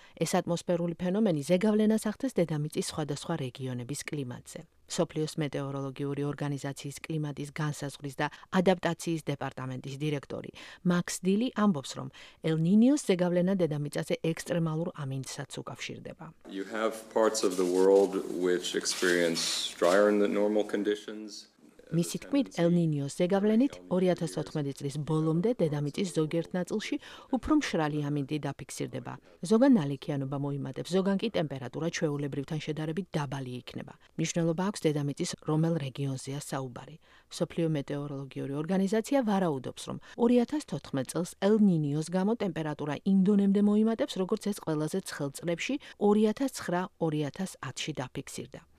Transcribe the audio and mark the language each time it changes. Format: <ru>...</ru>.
<ka>ეს ატმოსფერული ფენომენი ზეგავლენას ახდენს დედამიწის სხვადასხვა რეგიონების კლიმატზე. სოფლიოს მეტეოროლოგიური ორგანიზაციის კლიმატის განსაზღვრის და ადაპტაციის დეპარტამენტის დირექტორი მაქს დილი ამბობს, რომ ელ-ნინიოს ზეგავლენა დედამიწაზე ექსტრემალურ ამინდსაც უკავშირდება.</ka> <en>You have parts of the world which experience drier than normal conditions.</en> <ka>მისი თქმით, ელ-ნინიოს ზეგავლენით 2014 წლის ბოლომდე დედამიწის ზოგიერთ ნაწილში უფრო მშრალი ამინდი დაფიქსირდება. ზოგან ნალექიანობა მოიმატებს, ზოგან კი ტემპერატურა ჩვეულებრივთან შედარებით დაბალი იქნება. მნიშვნელობა აქვს დედამიწის რომელ რეგიონზეა საუბარი. სოფლიო მეტეოროლოგიური ორგანიზაცია ვარაუდობს, რომ 2014 წელს ელ-ნინიოს გამო ტემპერატურა ინდონემდე მოიმატებს, როგორც ეს ყველაზე ცხელ წლებში 2009-2010-ში დაფიქსირდა.</ka>